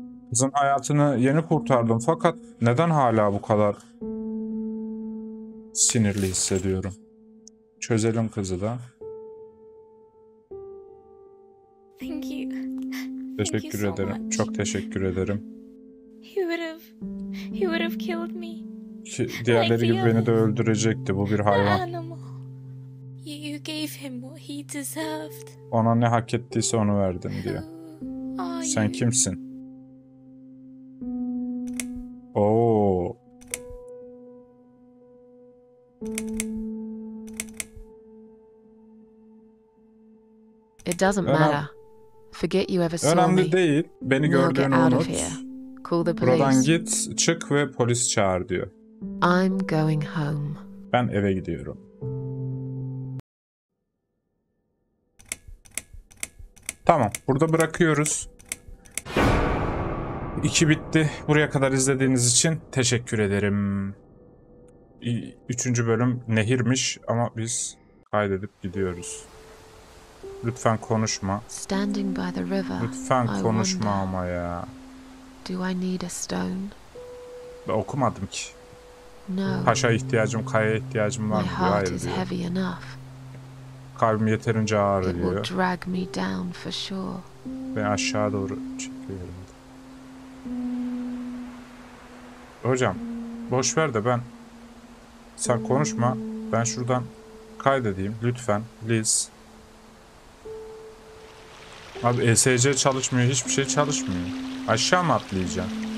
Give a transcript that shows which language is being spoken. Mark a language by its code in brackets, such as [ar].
[tr] Kızın hayatını yeni kurtardım fakat neden hala bu kadar sinirli hissediyorum? Çözelim kızı da. [en] Thank you. [tr] Teşekkür [en] Thank [tr] ederim. [en] You so much. [tr] Çok teşekkür ederim. [en] He would have killed me. [tr] Diğerleri gibi beni de öldürecekti. Bu bir hayvan. [en] You gave him what he deserved. [tr] Ona ne hak ettiyse onu verdim diyor. Sen kimsin? Oo. [en] It doesn't matter. Forget you ever saw me. [tr] Önemli değil. Beni gördüğünü unut. [en] Call the police. [tr] Buradan git, çık ve polis çağır diyor. [en] I'm going home. [tr] Ben eve gidiyorum. Tamam, burada bırakıyoruz. 2 bitti. Buraya kadar izlediğiniz için teşekkür ederim. 3. bölüm nehirmiş ama biz kaydedip gidiyoruz. Lütfen konuşma. [en] Standing by the river. [tr] Lütfen konuşma ama ya. [en] Do I need a stone? [tr] Ben okumadım ki. [en] No. [tr] Taşa ihtiyacım, kayaya ihtiyacım var. [en] My heart is heavy enough. [tr] Kalbim yeterince ağır diyor. [en] It will drag me down for sure. [tr] Ben aşağı doğru çekiyorum. Hocam, boş ver de ben. Sen konuşma. Ben şuradan kaydedeyim. Lütfen, [en] please. [tr] Abi ESC çalışmıyor, hiçbir şey çalışmıyor. Aşağı mı atlayacaksın?